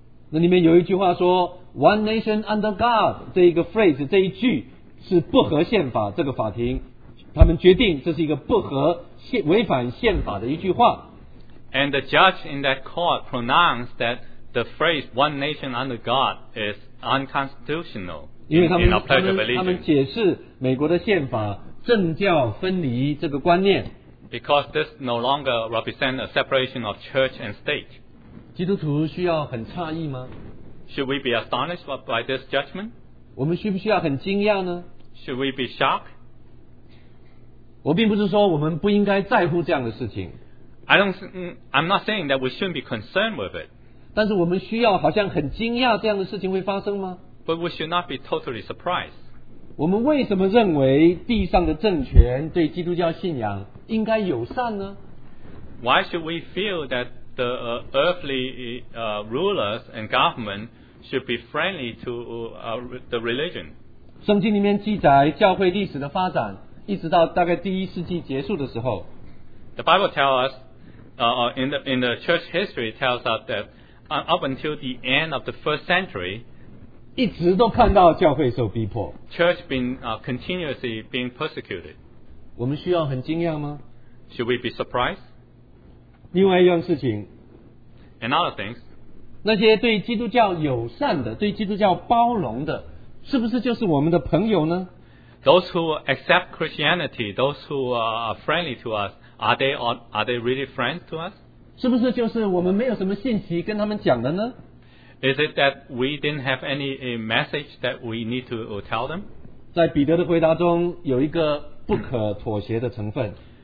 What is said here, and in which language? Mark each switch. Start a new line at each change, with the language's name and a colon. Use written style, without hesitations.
Chinese: 那里面有一句话说
English: "One Nation Under God"
Chinese: 这一个 phrase 这一句是不合宪法。这个法庭他们决定这是一个不合。违反宪法的一句话。
English: And the judge in that court pronounced that the phrase "One Nation Under God" is unconstitutional.
Chinese: 因为他们解释美国的宪法政教分离这个观念。
English: Because this no longer represents a separation of church and state.
Chinese: 基督徒需要很诧异吗？
English: Should we be astonished by this judgment?
Chinese: 我们需不需要很惊讶呢？
English: Should we be shocked?
Chinese: 我并不是说我们不应该在乎这样的事情。
English: I'm not saying that we shouldn't be concerned with it.
Chinese: 但是我们需要好像很惊讶这样的事情会发生吗？
English: But we should not be totally surprised.
Chinese: 我们为什么认为地上的政权对基督教信仰应该友善呢？
English: Why should we feel that the earthly rulers and government should be friendly to the religion?
Chinese: 圣经里面记载教会历史的发展一直到大概第一世纪结束的时候。
English: The Bible tells us in the church history tells us that up until the end of the first century
Chinese: 一直都看到教会受逼迫。
English: Church been continuously being persecuted.
Chinese: 我们需要很惊讶吗？
English: Should we be surprised?
Chinese: 另外一样事情。
English: Another things.
Chinese: 那些对基督教友善的，对基督教包容的，是不是就是我们的朋友呢？
English: Those who accept Christianity, those who are friendly to us, are they really friends to us?
Chinese: 是不是就是我们没有什么信息跟他们讲的呢？
English: Is it that we didn't have any message that we need to tell them?
Chinese: 在彼得的回答中有一个不可妥协的成分。